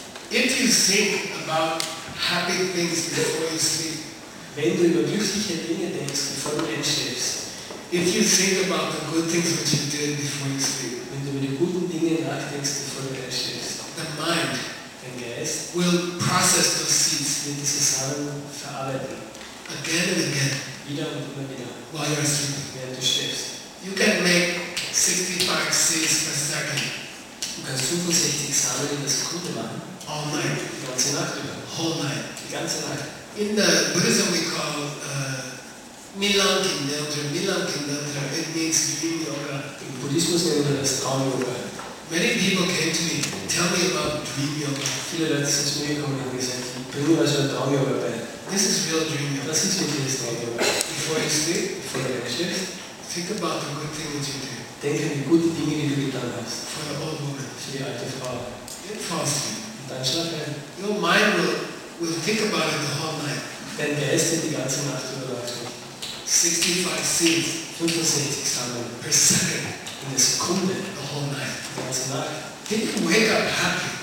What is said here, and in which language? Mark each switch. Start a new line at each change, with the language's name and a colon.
English: If you think about happy things before you sleep,
German: wenn du über glückliche Dinge denkst, bevor du einschläfst,
English: if you think about the good things which you did before you sleep,
German: wenn du über die guten Dinge nachdenkst, bevor du einschläfst,
English: the mind,
German: dein Geist,
English: will process those seeds,
German: wird diese Samen verarbeiten,
English: again and again,
German: wieder und immer wieder,
English: while you're sleeping,
German: während du schläfst.
English: You can make 65 seeds per second.
German: Du kannst 65 Samen in der Sekunde machen.
English: All night.
German: Die ganze Nacht über.
English: Whole night.
German: Die ganze Nacht.
English: In the Buddhism we call Milan Kindeldra. It means dream yoga.
German: Im Buddhismus nennen wir das Traum Yoga.
English: Many people came to me, tell me about dream yoga.
German: Viele Leute sind zu mir gekommen und gesagt, bring mir also ein Traum Yoga bei.
English: This is real dream yoga.
German: Das ist wirklich Traum Yoga.
English: Before you sleep. Before you sleep. Think about the good things you did.
German: Denk an die guten Dinge, die du getan hast.
English: For the old woman.
German: Für die alte Frau.
English: Then fall asleep.
German: Und dann schlaf ein.
English: Your mind will think about it the whole night.
German: Dein Geist wird die ganze Nacht überlaufen.
English: 65 seeds.
German: 65 Samen.
English: Per second.
German: In der Sekunde.
English: The whole night.
German: Die ganze Nacht.
English: Think, wake up happy.